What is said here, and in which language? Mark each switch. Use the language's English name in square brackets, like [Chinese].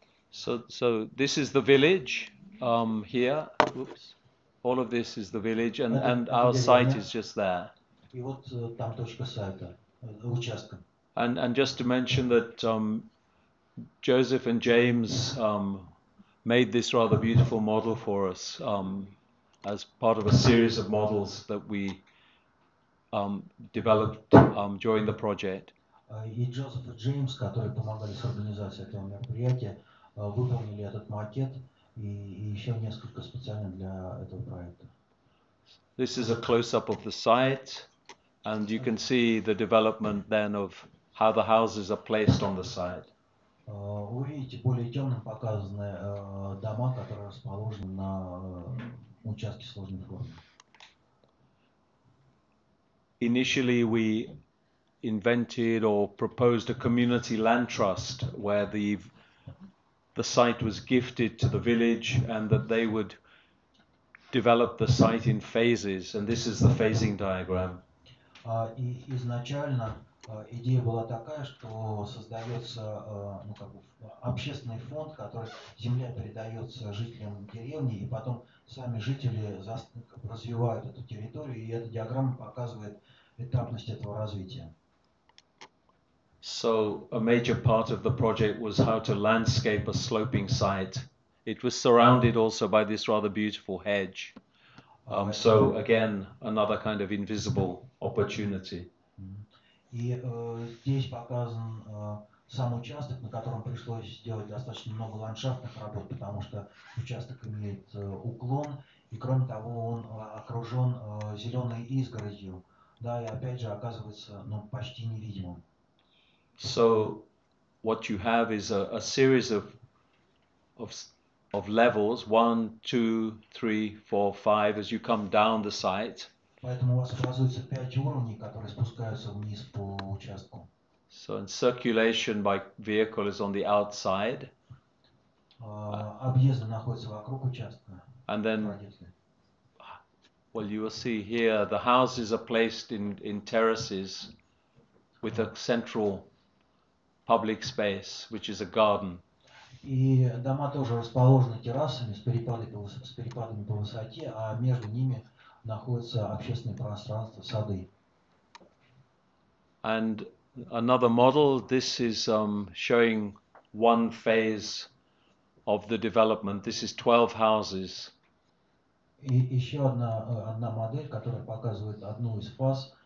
[English] So this is the village here. Oops. All of this is the village, and our site is just there. [Russian] И вот там точка сайта, участка. [English] And just to mention that Joseph and James made this rather beautiful model for us as part of a series of models that we developed during the project. [Russian] И Джозеф и Джеймс, которые помогали с организацией этого мероприятия, выполнили этот макет и еще несколько специально для этого проекта. [English] This is a close-up of the site, and you can see the development then of how the houses are placed on the site. [Russian] Вы видите более темным показаны дома, которые расположены на участке сложной формы. [English] Initially, we invented or proposed a community land trust where the site was gifted to the village and that they would develop the site in phases. And this is the phasing diagram. [Russian] И изначально идея была такая, что создается общественный фонд, который земля передается жителям деревни, и потом сами жители развивают эту территорию, и эта диаграмма показывает этапность этого развития. [English] So a major part of the project was how to landscape a sloping site. It was surrounded also by this rather beautiful hedge. So again, another kind of invisible opportunity. [Russian] И здесь показан сам участок, на котором пришлось сделать достаточно много ландшафтных работ, потому что участок имеет уклон, и кроме того, он окружен зеленой изгородью. Да, и опять же оказывается, ну, почти невидимым. [English] So what you have is a series of levels, 1, 2, 3, 4, 5, as you come down the site. [Russian] Поэтому у вас образуется 5 уровней, которые спускаются вниз по участку. [English] So and circulation by vehicle is on the outside. [Russian] Объезды находятся вокруг участка. [English] And then, well, you will see here the houses are placed in terraces with a central public space, which is a garden. [Russian] И дома тоже расположены террасами с перепадами по высоте, а между ними находится общественное пространство, сады. [English] And another model, this is showing one phase of the development. This is 12 houses. [Russian] И еще одна модель, которая показывает одну из фаз.